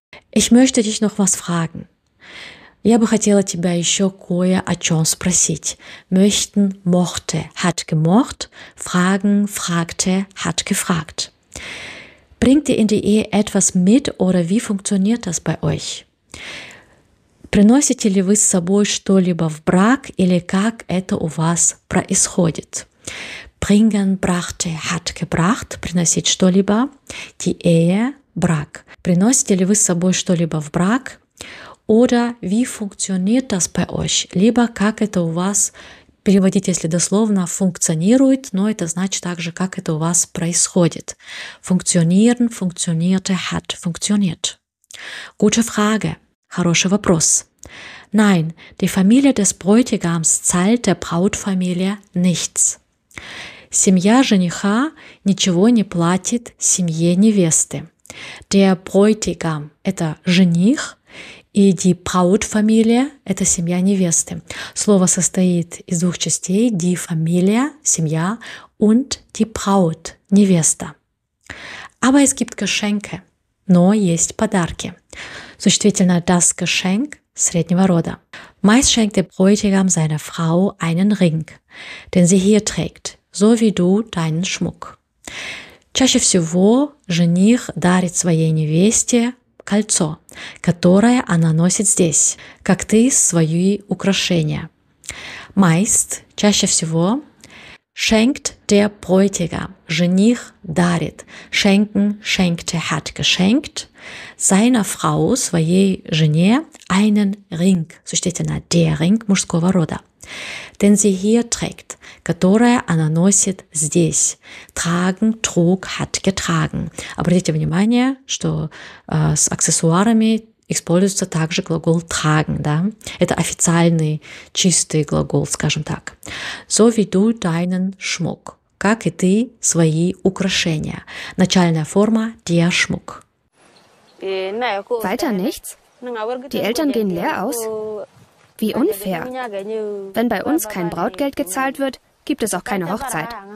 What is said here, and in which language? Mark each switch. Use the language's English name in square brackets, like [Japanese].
[German] Ich möchte dich noch was fragen. [Russian] Я бы хотела тебя еще кое о чем спросить. [German] Möchten, mochte, hat gemocht. Fragen, fragte, hat gefragt. Bringt ihr in die Ehe etwas mit oder wie funktioniert das bei euch? [Russian] Приносите ли вы с собой что-либо в брак или как это у вас происходит? [German] Bringen, brachte, hat gebracht. [Russian] Приносить что-либо. [German] Die Ehe, брак. [Russian] Приносите ли вы с собой что-либо в брак? [German] Oder wie funktioniert das bei euch? [Russian] Либо как это у вас, переводить, если дословно, функционирует, но это значит также, как это у вас происходит. [German] Funktionieren, funktionierte, hat funktioniert. Gute Frage, [Russian] хороший вопрос. [German] Nein, die Familie des Bräutigams zahlt der Brautfamilie nichts. [Russian] Семья жениха ничего не платит семье невесты. Der Bräutigam, это жених, и die Brautfamilie – это семья невесты. Слово состоит из двух частей – die Familie – семья, und die Braut – невеста. [German] Aber es gibt Geschenke, [Russian] но есть подарки. Существительное das Geschenk среднего рода. [German] Meist schenkt der Bräutigam seiner Frau einen Ring, den sie hier trägt, so wie du deinen Schmuck. [Russian] Чаще всего жених дарит своей невесте кольцо, которое она носит здесь, как ты свои украшения. [German] Meist, [Russian] чаще всего, [German] schenkt der Bräutigam, [Russian] жених дарит, [German] schenken, schenkte, hat geschenkt, seiner Frau, [Russian] своей жене, [German] einen Ring, существительно, der Ring [Russian] мужского рода, [German] den sie hier trägt, [Russian] которое она носит здесь. [German] Tragen, trug, hat getragen. [Russian] Обратите внимание, что с аксессуарами используется также глагол tragen. Да? Это официальный, чистый глагол, скажем так. [German] So wie du deinen Schmuck. [Russian] Как и ты свои украшения. Начальная форма der Schmuck. [German] Weiter nichts? Die Eltern gehen leer aus? Wie unfair. Wenn bei uns kein Brautgeld gezahlt wird, gibt es auch keine Hochzeit.